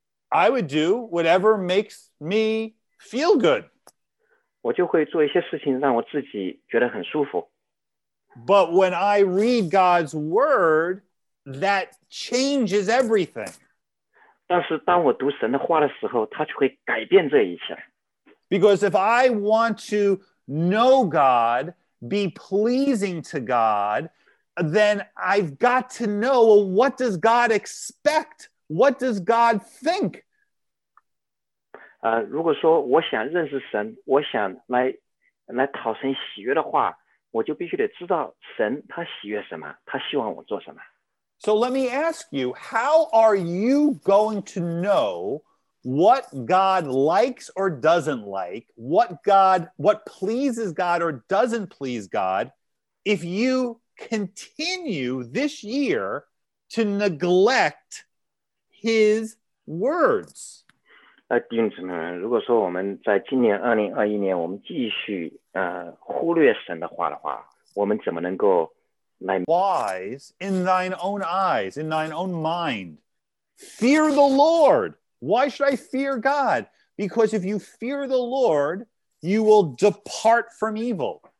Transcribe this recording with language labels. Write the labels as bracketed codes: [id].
[en] I would do whatever makes me feel good. [zh] 我就会做一些事情让我自己觉得很舒服。 [en] But when I read God's word, that changes everything. [zh] 但是当我读神的话的时候，它就会改变这一切。 [en] Because if I want to know God, be pleasing to God, then I've got to know, well, what does God expect? What does God think? [zh] 如果说我想认识神，我想来讨神喜悦的话，我就必须得知道神他喜悦什么，他希望我做什么。 [en] So let me ask you, how are you going to know what God likes or doesn't like, what pleases God or doesn't please God, if you continue this year to neglect his words? [zh] 弟兄姊妹们，如果说我们在今年2021年，我们继续忽略神的话的话，我们怎么能够来 [en] wise in thine own eyes, in thine own mind? Fear the Lord. Why should I fear God? Because if you fear the Lord, you will depart from evil.